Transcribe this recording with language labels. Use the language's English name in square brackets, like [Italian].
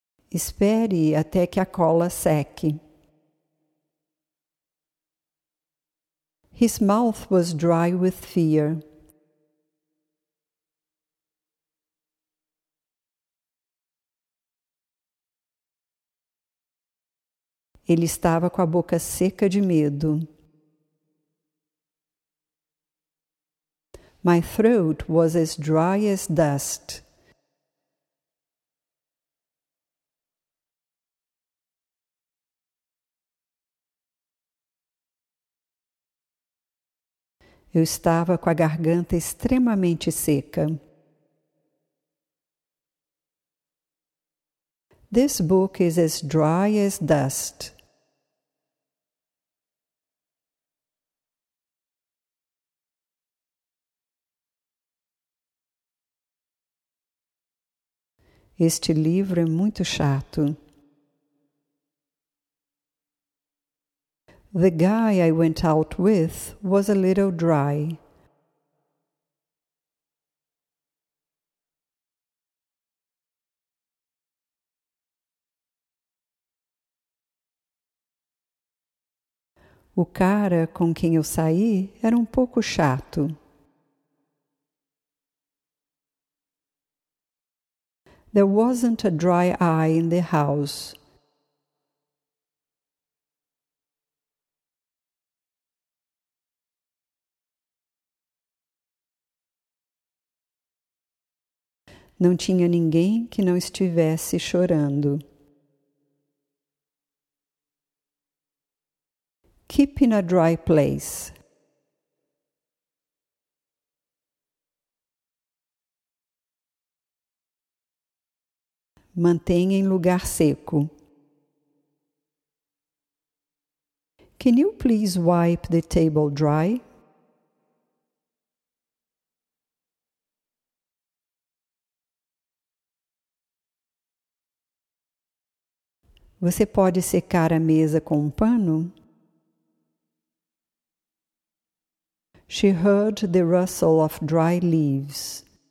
[Portuguese] Espere até que a cola seque. [English] His mouth was dry with fear. [Portuguese] Ele estava com a boca seca de medo. [English] My throat was as dry as dust. [Portuguese] Eu estava com a garganta extremamente seca. [English] This book is as dry as dust. [Portuguese] Este livro é muito chato. [English] The guy I went out with was a little dry. [Portuguese] O cara com quem eu saí era um pouco chato. [English] There wasn't a dry eye in the house. [Portuguese] Não tinha ninguém que não estivesse chorando. [English] Keep in a dry place. [Portuguese] Mantenha em lugar seco. [English] Can you please wipe the table dry? [Portuguese] Você pode secar a mesa com um pano? [English] She heard the rustle of dry leaves.